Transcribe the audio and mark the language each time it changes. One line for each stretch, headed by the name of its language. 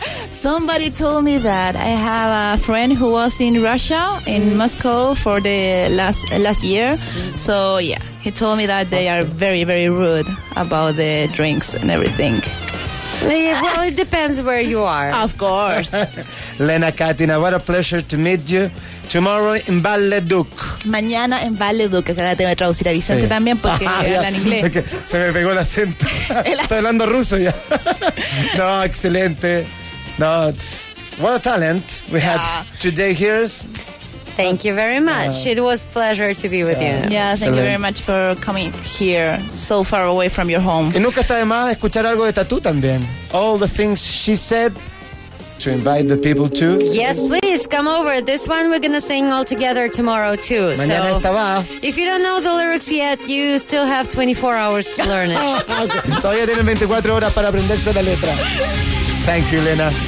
English: Somebody told me that I have a friend who was in Russia, in Moscow, for the last year. So, yeah, he told me that they are very, very rude about the drinks and everything. Well, it depends where you are. Of course. Lena Katina, what a pleasure to meet you. Tomorrow in Valleduc.
Spanish: Mañana en Valleduc. Ahora tengo que traducir a Vicente también porque habla en inglés.
English: Okay.
Spanish: Se me pegó el acento. Estoy hablando ruso ya. No, excelente.
English: No, what a talent we had today here. Thank you very much. It was a pleasure to be with you. Yeah, thank you very much for coming here so far away from your home.
Spanish: Y nunca está de más escuchar algo de Tatú también.
English: All the things she said to invite the people to. Yes, please, come over. This one we're going to sing all together tomorrow too.
Spanish: Mañana estaba.
English: If you don't know the lyrics yet, you still have 24 hours to learn it.
Spanish: Todavía tienen 24 horas para aprenderse la letra.
English: Thank you, Lena.